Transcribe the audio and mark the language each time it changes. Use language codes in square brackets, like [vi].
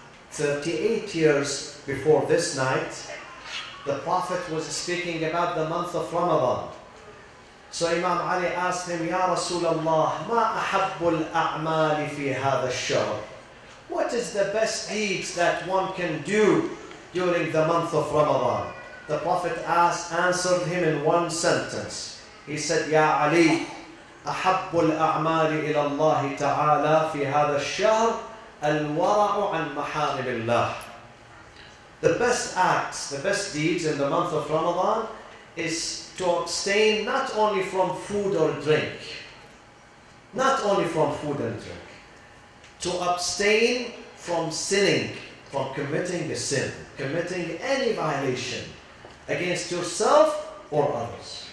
[en] 38 years before this night, the Prophet was speaking about the month of Ramadan. So Imam Ali asked him, Ya Rasulullah, [ar] ما أحب الأعمال في هذا الشهر? [en] What is the best deeds that one can do during the month of Ramadan? The Prophet answered him in one sentence. He said, [ar] Ya Ali, أحب الأعمال إلى الله تعالى في هذا الشهر الورع عن محارم الله. [en] The best acts, the best deeds in the month of Ramadan is to abstain not only from food or drink. Not only from food and drink. To abstain from sinning, from committing a sin, committing any violation against yourself or others.